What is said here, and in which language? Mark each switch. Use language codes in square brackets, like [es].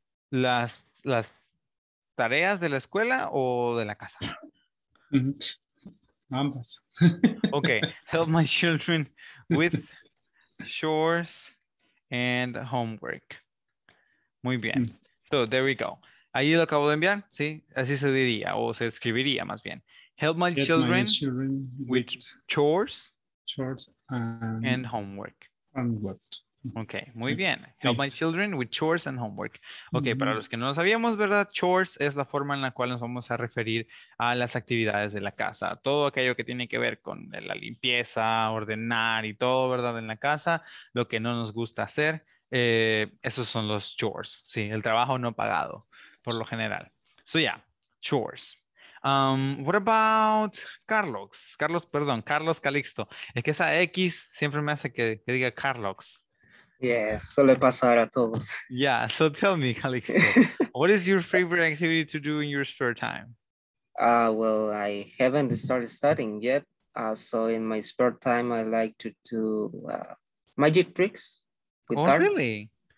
[es] Las tareas de la escuela o de la casa? Ambas. [en] Okay, help my children with chores and homework. [es] Muy bien. [en] So there we go. [es] Ahí lo acabo de enviar, sí, así se diría o se escribiría más bien. [en] Help my children with chores and homework. Okay, [es] muy bien. [en] Help my children with chores and homework. [es] Okay, para los que no lo sabíamos, ¿verdad? Chores es la forma en la cual nos vamos a referir a las actividades de la casa. Todo aquello que tiene que ver con la limpieza, ordenar y todo, ¿verdad? En la casa, lo que no nos gusta hacer, esos son los chores. Sí, el trabajo no pagado, por lo general. [en] So yeah, chores. What about Carlos? Carlos, perdón, Carlos Calixto. [es] Es que esa X siempre me hace que diga Carlos. Yeah, suele pasar a todos. [en] Yeah, so tell me, Calixto, what is your favorite activity to do in your spare time? Well, I haven't started studying yet. So in my spare time, I like to do magic tricks with cards. Oh, really?